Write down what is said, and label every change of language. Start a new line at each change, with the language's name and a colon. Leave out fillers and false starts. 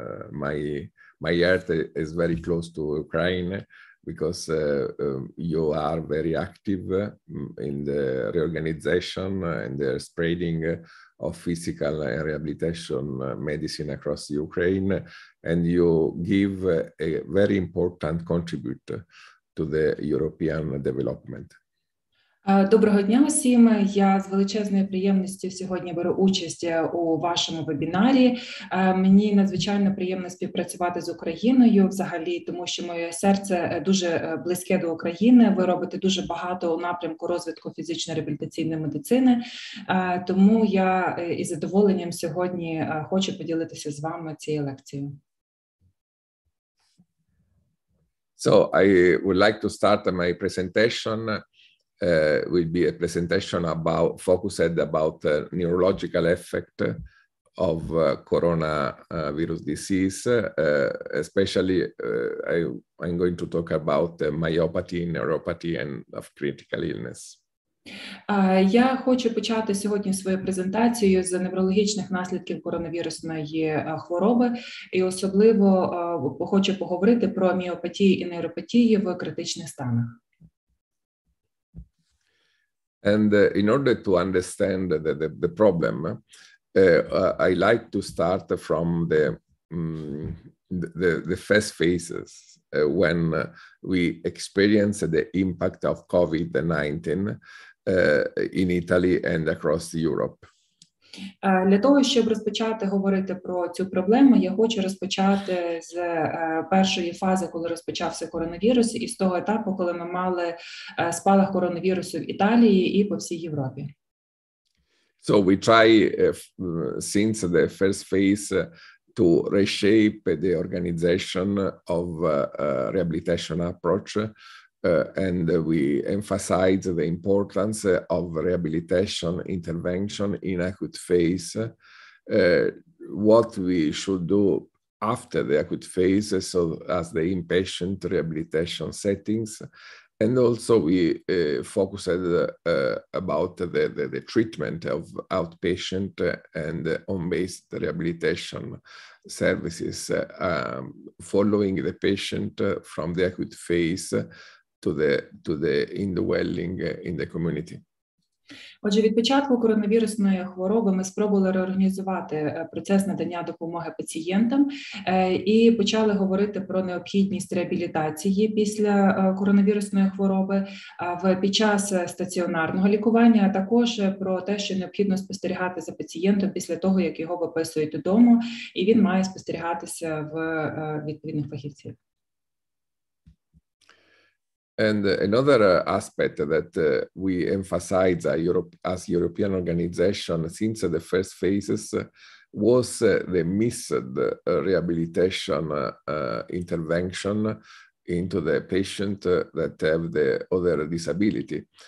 English: My heart is very close to Ukraine, because you are very active in the reorganization and the spreading of physical and rehabilitation medicine across Ukraine, and you give a very important contribute to the European development.
Ukrainian: Доброго дня усім. Я з величезною приємністю сьогодні беру участь у вашому вебінарі. Мені надзвичайно приємно співпрацювати з Україною взагалі, тому що моє серце дуже близьке до України. Ви робите дуже багато у напрямку розвитку фізично-реабілітаційної медицини. Тому я із задоволенням сьогодні хочу поділитися з вами цією лекцією.
English: So I would like to start my presentation. Will be a presentation about focused about the neurological effect of coronavirus disease, especially I'm going to talk about myopathy, neuropathy and of critical illness.
Ukrainian: Я хочу почати сьогодні свою презентацію з неврологічних наслідків коронавірусної хвороби і особливо хочу поговорити про міопатії і нейропатії в критичних станах.
English: And in order to understand the problem, I like to start from the first phases when we experience the impact of COVID-19 in Italy and across Europe.
Ukrainian: Для того, щоб розпочати говорити про цю проблему, я хочу розпочати з першої фази, коли розпочався коронавірус, і з того етапу, коли ми мали спалах коронавірусу в Італії і по всій Європі.
English: So we try since the first phase to reshape the organization of rehabilitation approach, and we emphasize the importance of rehabilitation intervention in acute phase, what we should do after the acute phase, so as the inpatient rehabilitation settings, and also we focused about the treatment of outpatient and home-based rehabilitation services, following the patient from the acute phase to the indwelling in the community.
Ukrainian: Отже, від початку коронавірусної хвороби ми спробували реорганізувати процес надання допомоги пацієнтам і почали говорити про необхідність реабілітації після коронавірусної хвороби під час стаціонарного лікування, а також про те, що необхідно спостерігати за пацієнтом після того, як його виписують додому, і він має спостерігатися в відповідних фахівців.
English: And another aspect that we emphasize as European organization since the first phases was the missed rehabilitation intervention into the patient that have the other disability.